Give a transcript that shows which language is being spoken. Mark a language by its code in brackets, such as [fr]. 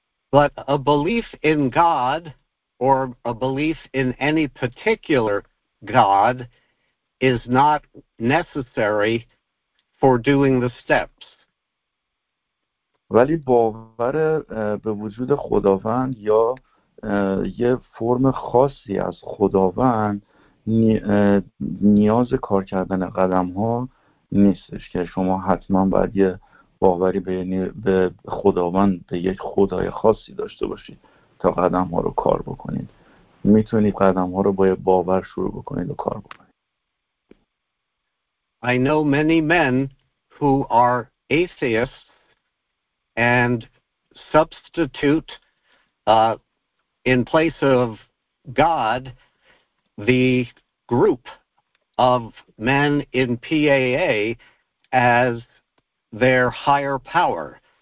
[en] But a belief in God or a belief in any particular God is not necessary for doing the steps. [fa] ولی باور به وجود خداوند یا یه فرم خاصی از خداوند نیاز کار کردن قدم ها نیستش که شما حتما باید یه باوری به خداوند به یک خدای خاصی داشته باشید تا قدم ها رو کار بکنید. میتونید قدم ها رو با یه باور شروع بکنید و کار بکنید. [en] I know many men who are atheists and substitute in place of God the group of men in PAA as their higher power.